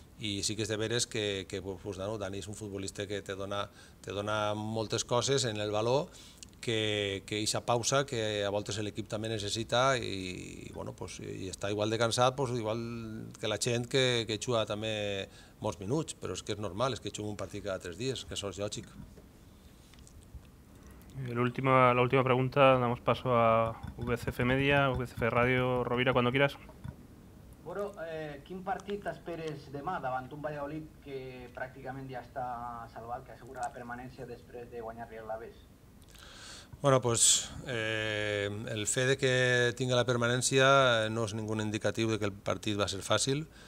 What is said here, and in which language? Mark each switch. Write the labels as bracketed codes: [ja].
[ca] I sí que és de veres que Dani és un futbolista que te dona moltes coses en el valor, que eixa pausa que a voltes l'equip també necessita, i està igual de cansat, igual que la gent que juga també molts minuts, però és que és normal, és que juguem un partit cada tres dies, que això és lògic. L'última pregunta, [es] damos paso a VCF Media, VCF Radio, Rovira, cuando quieras. [ca] Bueno, quin partit esperes demà davant un Valladolid que pràcticament ja està salvat, que assegura la permanència després de guanyar-li l'Alavés? Bueno, pues el fet que tinga la permanència no és ningú indicatiu que el partit va ser fàcil.